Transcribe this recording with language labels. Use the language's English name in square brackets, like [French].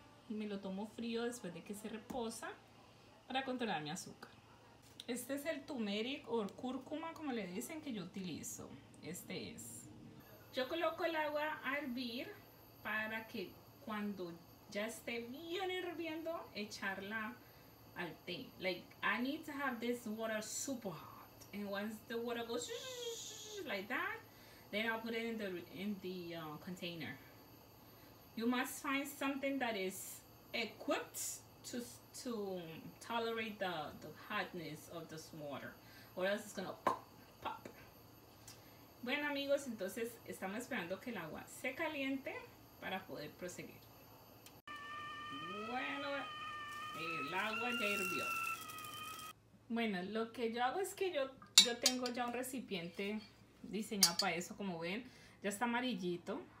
[Spanish] Y me lo tomo frío después de que se reposa para controlar mi azúcar. Este es el turmeric o cúrcuma, como le dicen, que yo utilizo. Este es. Yo coloco el agua a hervir para que cuando ya esté bien hirviendo, echarla al té. [English] Like, I need to have this water super hot. And once the water goes like that, then I'll put it in the container. You must find something that is equipped to tolerate the hotness of this water, or else it's gonna pop. [Spanish] Bueno, amigos, entonces estamos esperando que el agua se caliente para poder proseguir. Bueno, el agua ya hirvió. Bueno, lo que yo hago es que yo tengo ya un recipiente diseñado para eso, como ven, ya está amarillito.